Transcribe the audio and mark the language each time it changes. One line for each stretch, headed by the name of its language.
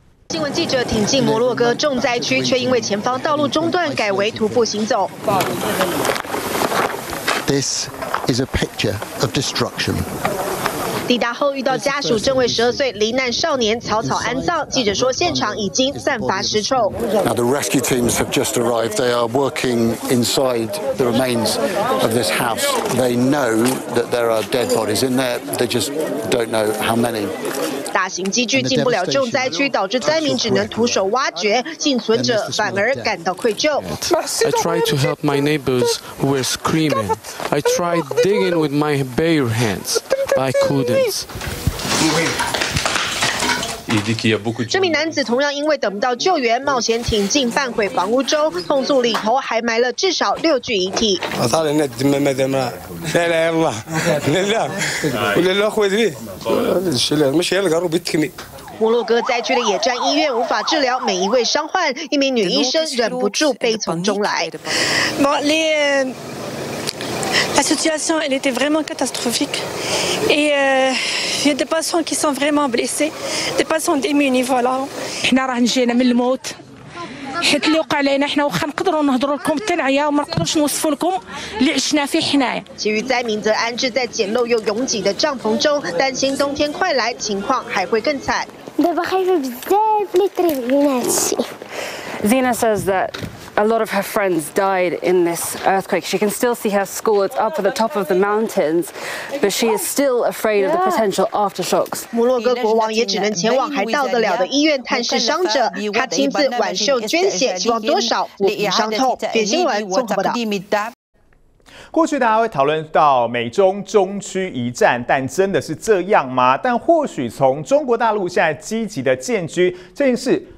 Chinese: 新闻记者挺进摩洛哥重灾区，却因为前方道路中断，改为徒步行走。
English: This is a picture of destruction.
Chinese: 抵达后遇到家属，正为12岁罹难少年草草安葬。记者说，现场已经散发尸臭。
English: Now the rescue teams have just arrived. They are working inside the remains of this house. They know that there are dead bodies in there. They just don't know how many.
Chinese: 大型机具进不了重灾区，导致灾民只能徒手挖掘，幸存者反而感到愧疚。
English: I tried to help my neighbors who were screaming. I tried digging with my bare hands, but I couldn't.
Chinese: 这名男子同样因为等不到救援，冒险挺进半毁房屋中，痛诉里头还埋了至少六具遗体。摩洛哥灾区的野战医院无法治疗每一位伤患，一名女医生忍不住悲从中来。
French: La situation elle était vraiment catastrophique. Et il y a des patients qui sont vraiment blessés, des patients démunis, voilà.
Arabic: حنا راه نجينا من الموت. حيت اللي وقع علينا حنا واخا نقدروا نهضروا لكم حتى العيا وما نقدرش نوصفوا لكم اللي عشنا فيه حنايا.
Chinese: 其余灾民则安置在简陋又拥挤的帐篷中，担心冬天快来，情况还会更惨。
Arabic: دابا خايفه بزاف لي تريف لينا هادشي.
English: Zina says that. A lot of her friends died in this earthquake. She can still see her school. It's up at the top of the mountains, but she is still afraid of the potential aftershocks.
Chinese: 摩洛哥国王也只能前往还到得了的医院探视伤者，他亲自挽袖捐血，希望多少抚平伤痛。点新闻综合报道。过去大家会讨论到美中中区一战，但真的是这样吗？但或许从中国大陆现在积极的建军这件事。